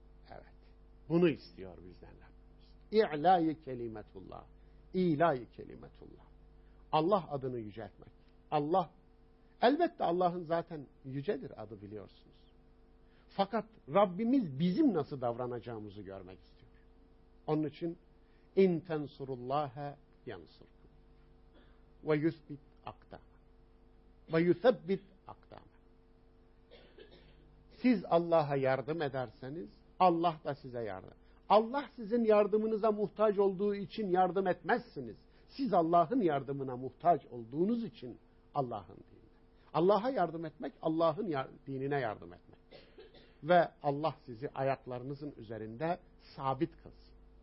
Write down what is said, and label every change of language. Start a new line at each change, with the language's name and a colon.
Turkish: Evet. Bunu istiyor bizden Rabbimiz. İ'lâ-i kelimetullah. İ'lâ-i kelimetullah. Allah adını yüceltmek. Allah, elbette Allah'ın zaten yücedir adı biliyorsunuz. Fakat Rabbimiz bizim nasıl davranacağımızı görmek istiyor. Onun için
Arabic: اِنْ تَنْصُرُ اللّٰهَ يَنْصُرْكُمْ وَيُثْبِتْ اَقْدَامَ وَيُثَبِّتْ اَقْدَامَ.
Turkish: Siz Allah'a yardım ederseniz Allah da size yardım. Allah sizin yardımınıza muhtaç olduğu için yardım etmezsiniz. Siz Allah'ın yardımına muhtaç olduğunuz için Allah'ın dinine. Allah'a yardım etmek, Allah'ın dinine yardım etmek. Ve Allah sizi ayaklarınızın üzerinde sabit kılsın.